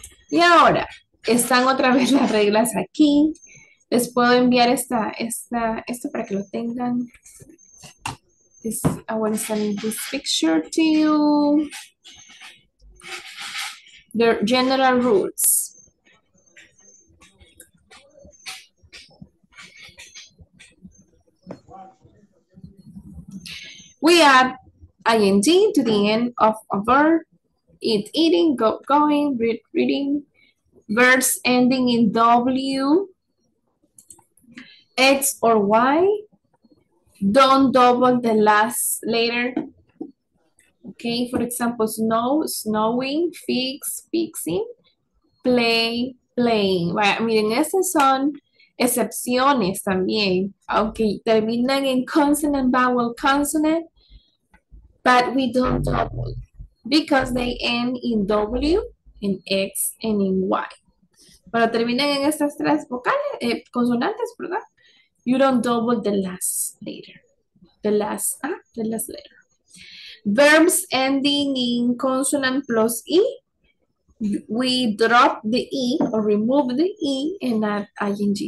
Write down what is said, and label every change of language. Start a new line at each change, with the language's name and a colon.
Spanish: Y ahora, están otra vez las reglas aquí. Les puedo enviar esto para que lo tengan.
English: This, I want to send this picture to you. The general rules. We add ing to the end of a verb. Eat, eating, go, going, read, reading. Verbs ending in W, X or Y. Don't double the last letter. Okay, for example, snow, snowing, fix, fixing, play, playing.
Spanish: Vaya, miren, esas son excepciones también. Aunque terminan en
English: consonant, vowel, consonant, but we don't double because they end in W, in X, and in Y.
Spanish: Pero terminan en estas tres vocales, consonantes, ¿verdad?
English: You don't double the last letter. The last letter. Verbs ending in consonant plus E. We drop the E or remove the E and add ing.